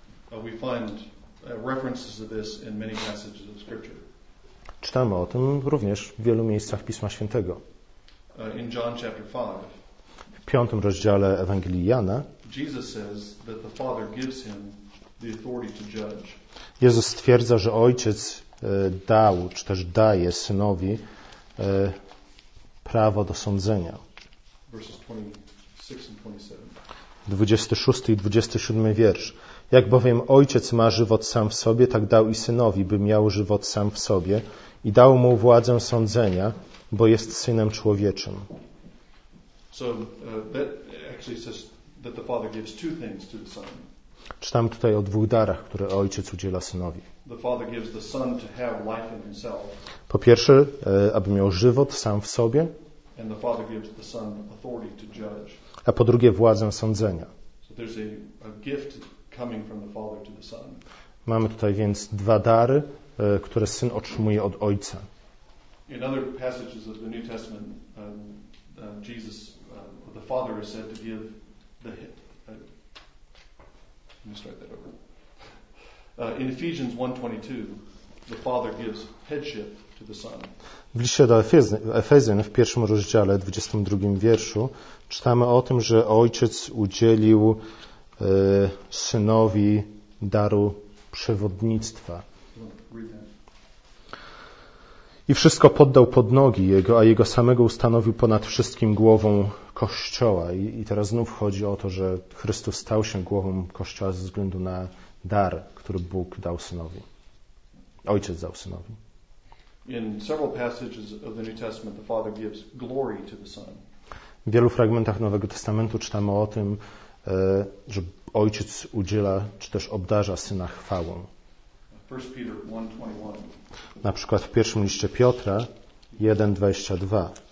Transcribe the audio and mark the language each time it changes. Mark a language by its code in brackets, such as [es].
[en] We find references to this in many passages of scripture. [pl] Czytamy o tym również w wielu miejscach Pisma Świętego. [en] In John chapter 5. [pl] W piątym rozdziale Ewangelii Jana. [en] Jesus says that the Father gives him the authority to judge. [pl] Jezus stwierdza, że Ojciec dał, czy też daje Synowi prawo do sądzenia. [en] Verses 26 and 27. [pl] 26 i 27 wiersz. Jak bowiem Ojciec ma żywot sam w sobie, tak dał i Synowi, by miał żywot sam w sobie i dał mu władzę sądzenia, bo jest Synem Człowieczym. [en] So that actually says that the Father gives two things to the Son. [pl] Czytam tutaj o dwóch darach, które Ojciec udziela Synowi. [en] The Father gives the Son to have life in himself. [pl] Po pierwsze, aby miał żywot sam w sobie. [en] And the Father gives the Son authority to judge. [pl] A po drugie, władzę sądzenia. [en] So there's a gift coming from the Father to the Son. [pl] Mamy tutaj więc dwa dary, które Syn otrzymuje od Ojca. [en] In other passages of the New Testament, Jesus, the Father is said to give the let me start that over. In Ephesians 1:22, the Father gives headship to the Son. [pl] W liście do Efezjan w pierwszym rozdziale, 22 wierszu, czytamy o tym, że Ojciec udzielił Synowi daru przewodnictwa. I wszystko poddał pod nogi Jego, a Jego samego ustanowił ponad wszystkim głową Kościoła. I teraz znów chodzi o to, że Chrystus stał się głową Kościoła ze względu na dar, który Bóg dał Synowi. Ojciec dał Synowi. [en] In several passages of the New Testament, the Father gives glory to the Son. [pl] W wielu fragmentach Nowego Testamentu czytamy o tym, że Ojciec udziela, czy też obdarza Syna chwałą. [en] 1 Peter 1:21. [pl] Na przykład w pierwszym liście Piotra 1:22.